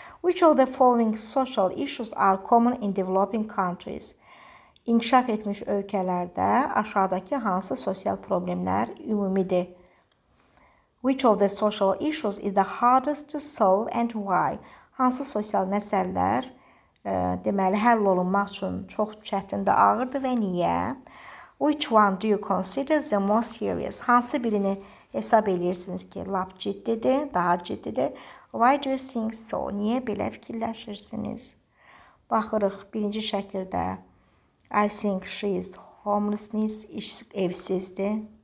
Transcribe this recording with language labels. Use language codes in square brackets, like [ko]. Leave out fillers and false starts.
[en] Which of the following social issues are common in developing countries? [az] İnkişaf etmiş ölkələrdə aşağıdakı hansı sosial problemlər ümumidir? [en] Which of the social issues is the hardest to solve and why? [az] Hansı sosial məsələlər deməli, həll olunmaq üçün çox çətindir, ağırdır və niyə? [en] Which one do you consider the most serious? [az] Hansı birini hesab edirsiniz ki, lap ciddidir, daha ciddidir? [en] Why do you think so? [az] Niyə belə fikirləşirsiniz? Baxırıq birinci şəkildə. [en] I think she is homelessness, [az] evsizdir.